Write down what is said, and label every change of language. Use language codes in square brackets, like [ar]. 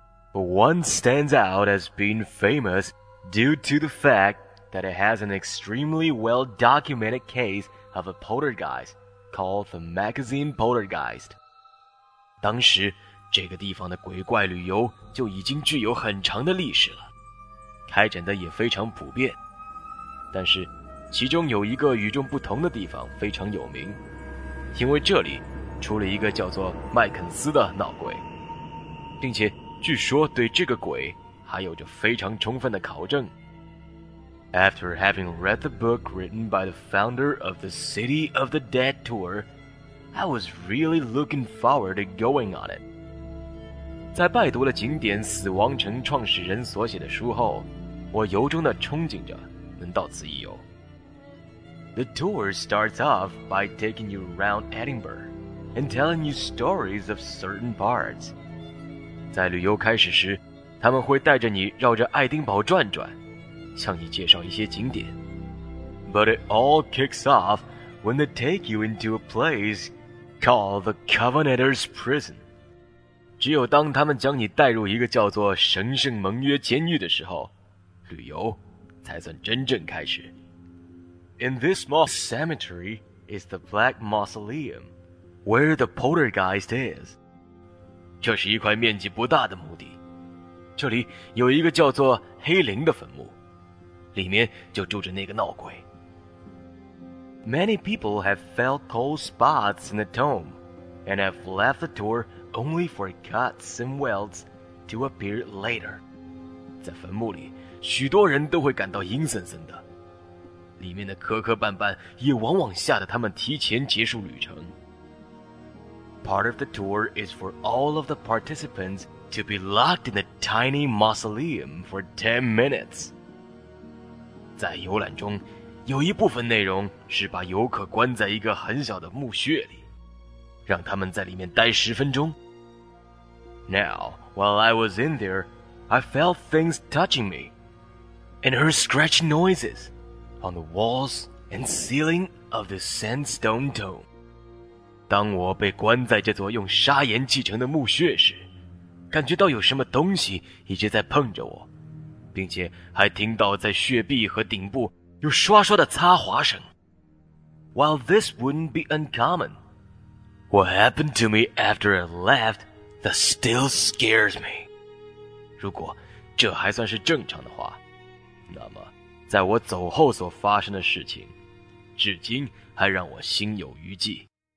[en] But one stands out as being famous due to the fact that it has an extremely well-documented case of a poltergeist called the Magazine Poltergeist. [zh] 当时这个地方的鬼怪旅游就已经具有很长的历史了，开展的也非常普遍。但是其中有一个与众不同的地方非常有名，因为这里出了一个叫做麦肯斯的闹鬼，并且据说对这个鬼还有着非常充分的考证。 [en] After having read the book written by the founder of the City of the Dead Tour, I was really looking forward to going on it. [zh] 在拜读了景点死亡城创始人所写的书后，我由衷地憧憬着能到此一游。 [en] The tour starts off by taking you around Edinburgh and telling you stories of certain parts. [zh] 在旅游开始时，他们会带着你绕着爱丁堡转转，向你介绍一些景点。 [en] But it all kicks off when they take you into a place called the Covenanter's Prison. [zh] 只有当他们将你带入一个叫做神圣盟约监狱的时候，旅游才算真正开始。 [en] In this small cemetery is the Black Mausoleum, where the poltergeist is. [zh] 这是一块面积不大的墓地，这里有一个叫做黑灵的坟墓，里面就住着那个闹鬼。 [en] Many people have felt cold spots in the tomb, and have left the tour only for cuts and welts to appear later. [zh] 在坟墓里，许多人都会感到阴森森的。里面的磕磕绊绊也往往吓得他们提前结束旅程。 [en] Part of the tour is for all of the participants to be locked in the tiny mausoleum for 10 minutes. [zh] 在游览中，有一部分内容是把游客关在一个很小的墓穴里，让他们在里面待十分钟。 [en] Now, while I was in there, I felt things touching me, and heard scratching noises. On the walls and ceiling of the sandstone tomb. [zh] 当我被关在这座用砂岩砌成的墓穴时，感觉到有什么东西一直在碰着我，并且还听到在穴壁和顶部有刷刷的擦滑声。 [en] While this wouldn't be uncommon, what happened to me after I left that still scares me. [zh] 如果这还算是正常的话，那么在我走后所发生的事情，至今还让我心有余悸。